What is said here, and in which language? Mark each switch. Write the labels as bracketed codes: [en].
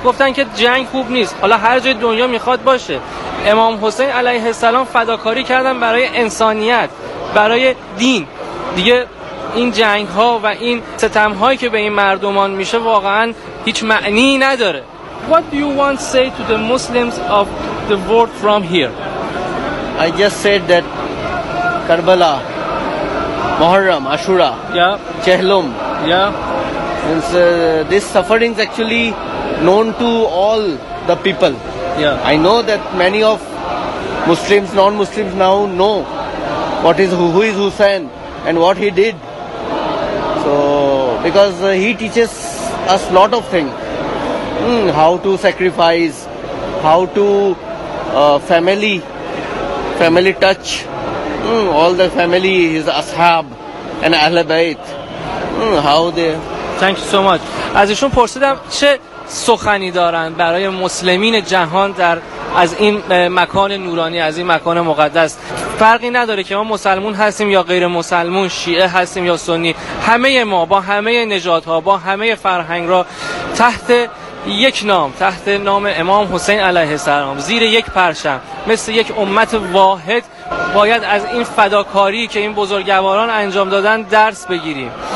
[fa] گفتن که جنگ خوب نیست. حالا هر جای دنیا میخواد باشه. امام حسین علیه السلام فداکاری کردن برای انسانیت، برای دین. دیگه این جنگ ها و این ستم هایی که به این مردمان میشه واقعا هیچ معنی نداره. [en] What do you want to say to the Muslims of the world from here? I just said that Karbala, Muharram, Ashura, yeah, Chehlum, yeah, means this suffering is actually known to all the people. Yeah, I know that many of Muslims, non-Muslims now know what is who is Hussein and what he did. So, because he teaches us lot of things, how to sacrifice, how to family touch, all the family, his ashab, and اهل بیت. How they? Thank you so much. [fa] از ایشون پرسیدم چه سخنی دارن برای مسلمین جهان در از این مکان نورانی، از این مکان مقدس. فرقی نداره که ما مسلمون هستیم یا غیر مسلمون، شیعه هستیم یا سنی، همه ما با همه نژادها، با همه فرهنگ را تحت یک نام، تحت نام امام حسین علیه السلام، زیر یک پرچم، مثل یک امت واحد، باید از این فداکاری که این بزرگواران انجام دادن درس بگیریم.